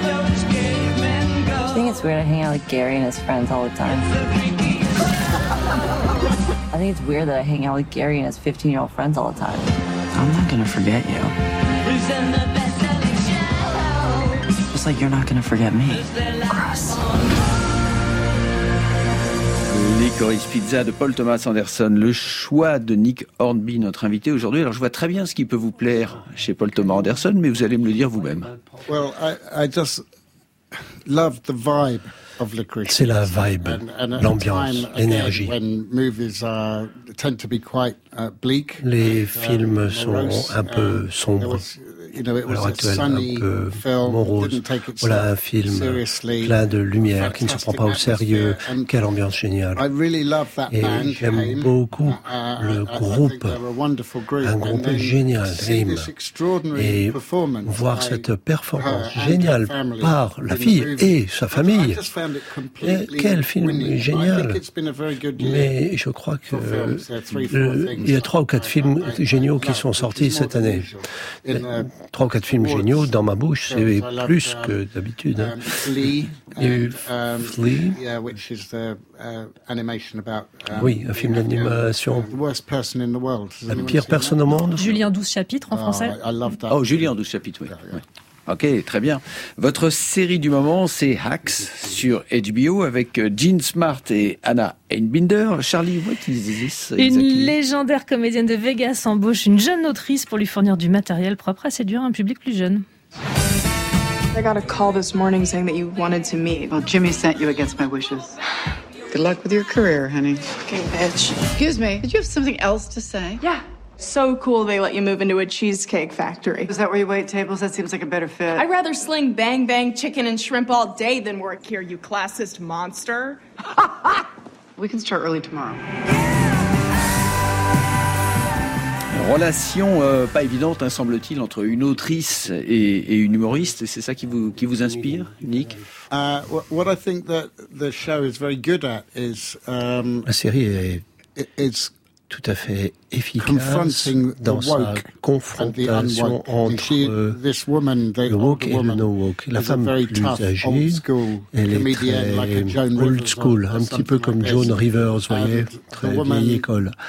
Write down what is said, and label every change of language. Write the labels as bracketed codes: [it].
[en] I think it's weird to hang out with Gary and his friends all the time. I think it's weird that I hang out with Gary and his 15-year-old friends all the time. I'm not gonna forget you. It's like you're not gonna forget me. Gross. [fr] Licorice Pizza de Paul Thomas Anderson, le choix de Nick Hornby, notre invité aujourd'hui. Alors, je vois très bien ce qui peut vous plaire chez Paul Thomas Anderson, mais vous allez me le dire vous-même. [en] Well, I just love the vibe of Licorice. [fr] C'est la vibe, l'ambiance, l'énergie. [en] When movies tend to be quite bleak. [fr] Les films sont un peu sombres. À l'heure actuelle, un peu morose. Voilà un film plein de lumière qui ne se prend pas au sérieux. Quelle ambiance géniale. Et j'aime beaucoup le groupe, un groupe génial, Dream. Et voir cette performance géniale par la fille et sa famille. Et quel film génial. Mais je crois que il y a trois ou quatre films géniaux qui sont sortis cette année. Trois ou quatre films géniaux dans ma bouche, c'est plus que d'habitude. [en] Flea, which is the animation about [fr] oui, un film d'animation. [en] The worst person in the world. [fr] La pire personne au monde. Julien 12 chapitres en français. Oh, Julien 12 chapitres, oui. [en] Yeah, yeah. [fr] Ouais. Ok, très bien. Votre série du moment, c'est Hacks sur HBO avec Jean Smart et Anna Einbinder. [en] Charlie, what is this exactly? [fr] Une légendaire comédienne de Vegas embauche une jeune autrice pour lui fournir du matériel propre à séduire un public plus jeune. [en] I got a call this morning saying that you wanted to meet. Well, Jimmy sent you against my wishes. Good luck with your career, honey. Fucking bitch. Excuse me, did you have something else to say? Yeah. So cool they let you move into a cheesecake factory. Is that where you wait tables? That seems like a better fit. I'd rather sling bang bang chicken and shrimp all day than work here, you classist monster. We can start early tomorrow. [fr] Relation pas évidente, hein, semble-t-il, entre une autrice et une humoriste. C'est ça qui vous inspire, Nick? [en] What I think that the show is very good at is... [fr] La série est... tout à fait efficace dans sa confrontation entre le woke et le no-woke. La femme plus âgée, elle est très old school, un petit peu comme Joan Rivers, vous voyez, très vieille école.